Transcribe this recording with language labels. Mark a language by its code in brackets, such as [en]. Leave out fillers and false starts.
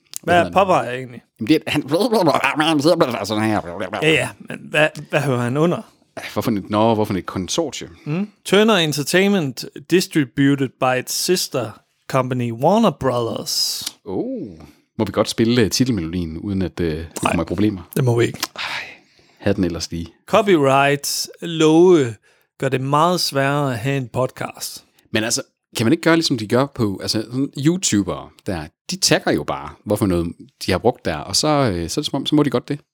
[da] hvad er Popeye egentlig? Jamen, det er, han sidder sådan her. Ja, men hvad hører han under? Hvorfor et konsortium? [en] Turner Entertainment, distributed by its sister company Warner Brothers. [da] Må vi godt spille titelmelodien, uden at det kommer i problemer? Det må vi ikke. Hav den ellers lige. Copyright love gør det meget sværere at have en podcast. Men altså, kan man ikke gøre, ligesom de gør på, altså sådan YouTubere der, de tagger jo bare, hvorfor noget de har brugt der, og så må de godt det.